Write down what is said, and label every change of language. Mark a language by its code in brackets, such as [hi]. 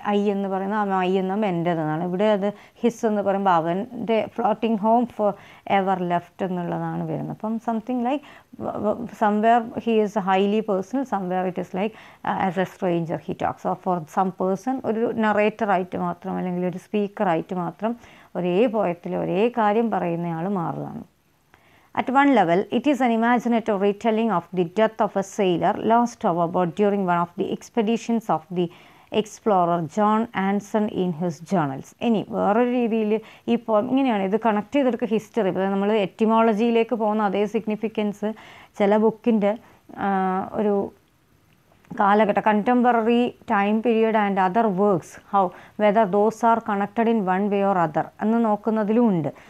[ml] I എന്ന് പറയുന്നത് ആ മൈ എന്ന എൻ്റെതെന്നാണ്. ഇവിടെ അത് ഹിസ് എന്ന് പറയുമ്പോൾ അവൻ്റെ [en] floating home for ever left [ml] എന്നുള്ളതാണ് വരുന്നത്. അപ്പം [en] Something like somewhere he is a highly personal, somewhere it is like as a stranger he talks or for some person. [ml] ഒരു നറേറ്ററായിട്ട് മാത്രം അല്ലെങ്കിൽ ഒരു സ്പീക്കറായിട്ട് മാത്രം ഒരേ പോയത്തിൽ ഒരേ കാര്യം പറയുന്നയാൾ മാറുകയാണ്. [en] At one level, it is an imaginative retelling of the death of a sailor lost overboard during one of the expeditions of the explorer John Anson in his journals. [ml] ഇനി വേറൊരു രീതിയിൽ ഈ പോയം ഇങ്ങനെയാണ്, ഇത് കണക്ട് ചെയ്തെടുക്കുക history. അതായത് നമ്മൾ എറ്റിമോളജിയിലേക്ക് പോകുന്ന അതേ സിഗ്നിഫിക്കൻസ് ചില ബുക്കിൻ്റെ ഒരു കാലഘട്ടം [en] contemporary time period and other works how whether those are connected in one way or other [ml] എന്ന് നോക്കുന്നതിലും ഉണ്ട്.